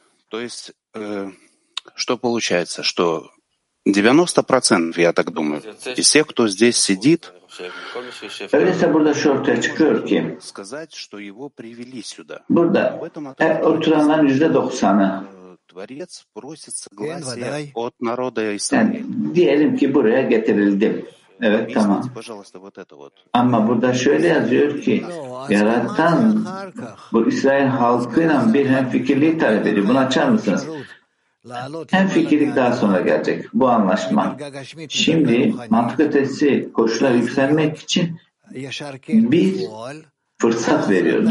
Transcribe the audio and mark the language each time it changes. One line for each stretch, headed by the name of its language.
Russian: То есть, что получается, что 90%, я так думаю, из всех, кто здесь сидит,
Turkish: öyleyse burada şu ortaya çıkıyor ki
Russian: сказать, что его привели сюда.
Turkish: Burada oturanların %90'ı
Russian: Творец просит согласия от народа Израиля.
Turkish: Diyelim ki buraya getirildim. Evet, tamam.
Russian: Пожалуйста, вот это вот.
Turkish: Ama burada şöyle yazıyor ki, Yaratan bu İsrail halkıyla bir hemfikirliği talep ediyor. Bunu açar mısınız? Hemfikirlik daha sonra gelecek. Bu anlaşma. Şimdi mantık ötesi koşullar yükselmek için bir fırsat veriyor.